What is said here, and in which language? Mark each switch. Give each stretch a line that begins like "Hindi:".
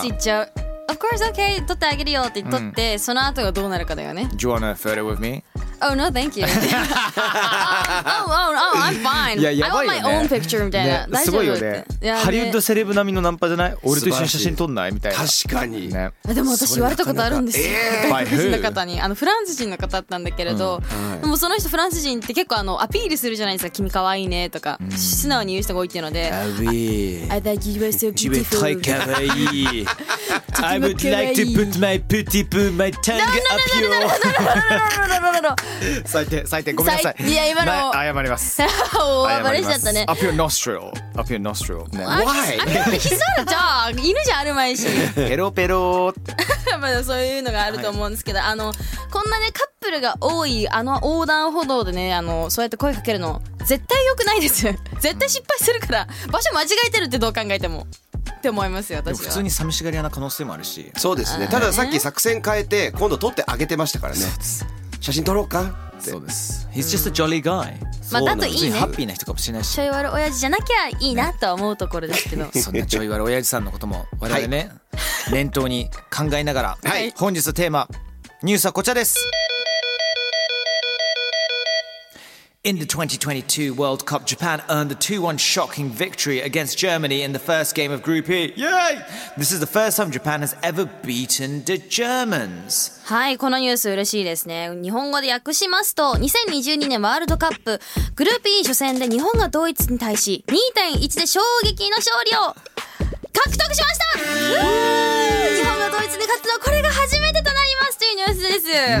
English: Of course,
Japanese: 言っちゃう。
English: Of course, okay,
Japanese: 撮ってあげるよって撮って、うん、その後がどうなるかだよね。
English: Do you want a photo with me? Oh, no, thank you. Oh, I'm fine.
Japanese: いや、やばいよね。
English: I want my own picture,
Japanese: みたいな、ね、大丈夫って、ね、ハリウッドセレブ並みのナンパじゃない？俺と一緒に写真撮んないみたいな。確かに、ね、でも私言われたことあるんですよ、なかなか、外国人の方に。あのフランス人の方だったんだけれど、うん、でもその人フランス人って結構あのアピールするじゃないですか。君可愛いねとか、うん、素直に言う人が多いっていうので、アビ
English: ー I think you were so beautiful.
Japanese: 君太可愛い。
English: I would like to put my booty poo, my tongue up your...
Japanese: 最低、最低、ごめんなさい。いや、今の、ま、謝ります。おー、暴れちゃったね。
English: Up your nostril. Up your nostril. No. Why? He's not a dog.
Japanese: 犬じゃあるまいし。ペロペロまあそういうのがあると思うんですけど、はい、あの、こんなね、カップルが多い、あの横断歩道でね、あの、そうやって声かけるの、絶対良くないです。絶対失敗するから、場所間違えてるってどう考えても。って思いますよ私は。普通に寂しがり屋な可能性もあるし。そうですね。たださっき作戦変えて、今度撮ってあげてましたからね。そうです。写真撮ろうかって。そうです。
English: He's just a jolly guy.
Japanese: まあだといいね。ハッピーな人かもしれないし。ちょい悪い親父じゃなきゃいいなとは思うところですけど。そんなちょい悪い親父さんのことも我々ね、はい、念頭に考えながら、はい、本日のテーマ、ニュースはこちらです。
English: In the 2022 World Cup, Japan earned a 2-1 shocking victory against Germany in the first game of Group E. Yay! This is the first time Japan has ever beaten the Germans.
Japanese: はい、このニュース嬉しいですね。日本語で訳しますと、2022年ワールドカップグループ E 初戦で日本がドイツに対し 2-1 で衝撃の勝利を獲得しました。日本がドイツに勝つのはこれが初めてとなりますというニュースです、